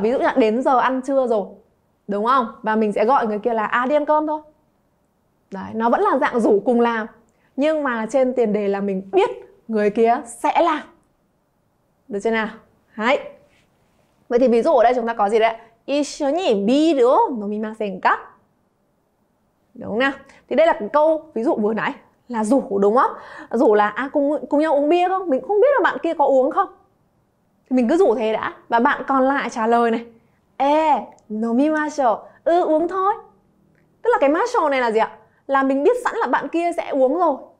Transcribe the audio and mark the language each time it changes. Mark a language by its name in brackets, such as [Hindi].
[Vietnamese] Ví dụ như là đến giờ ăn trưa rồi, đúng không? Và mình sẽ gọi người kia là à, đi ăn cơm thôi. Đấy, nó vẫn là dạng rủ cùng làm, nhưng mà trên tiền đề là mình biết người kia sẽ làm. Được chưa nào? Đấy. Vậy thì ví dụ ở đây chúng ta có gì đấy? [Japanese] 一緒に ビール飲みませんか? [Vietnamese] Đúng nào? Thì đây là cái câu ví dụ vừa nãy là rủ, đúng không? Rủ là à, cùng nhau uống bia không? Mình không biết là bạn kia có uống không? Thì mình cứ rủ thế đã. Và bạn còn lại trả lời này. Ê, [Japanese] nomimashou. [Vietnamese] Ừ, uống thôi. Tức là cái mashou này là gì ạ? Là mình biết sẵn là bạn kia sẽ uống rồi.